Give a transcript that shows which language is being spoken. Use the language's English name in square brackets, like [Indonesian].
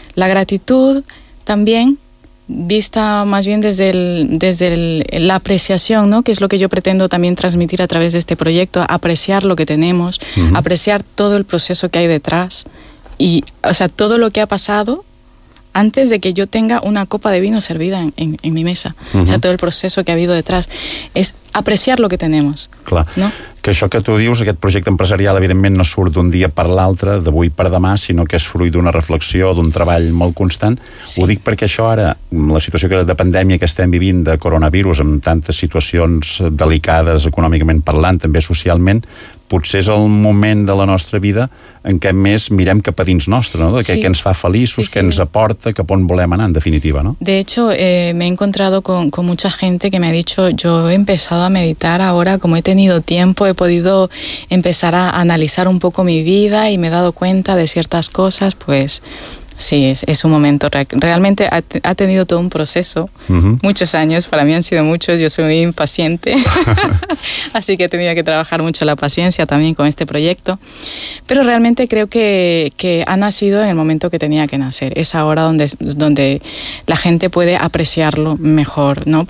[Spanish] La gratitud también, vista más bien desde la apreciación, ¿no? Que es lo que yo pretendo también transmitir a través de este proyecto, apreciar lo que tenemos, uh-huh. apreciar todo el proceso que hay detrás y, o sea, todo lo que ha pasado antes de que yo tenga una copa de vino servida en mi mesa. Uh-huh. O sea, todo el proceso que ha habido detrás. Es apreciar lo que tenemos. [Catalan] Clar. No? Que això que tu dius, aquest projecte empresarial, evidentment no surt d'un dia per l'altre, d'avui per demà, sinó que és fruit d'una reflexió, d'un treball molt constant. Sí. Ho dic perquè això ara, la situació de pandèmia que estem vivint, de coronavirus, amb tantes situacions delicades econòmicament parlant, també socialment, potser és el moment de la nostra vida en què més mirem cap a dins nostre, no? De què ens fa feliços, què ens aporta, cap on volem anar, en definitiva, no? [Spanish] De hecho, me he encontrado con mucha gente que me ha dicho, yo he empezado a meditar ahora, como he tenido tiempo, he podido empezar a analizar un poco mi vida y me he dado cuenta de ciertas cosas, pues sí, es un momento. Realmente ha tenido todo un proceso, uh-huh. muchos años, para mí han sido muchos, yo soy muy impaciente, así que he tenido que trabajar mucho la paciencia también con este proyecto, pero realmente creo que ha nacido en el momento que tenía que nacer, es ahora donde la gente puede apreciarlo mejor, ¿no?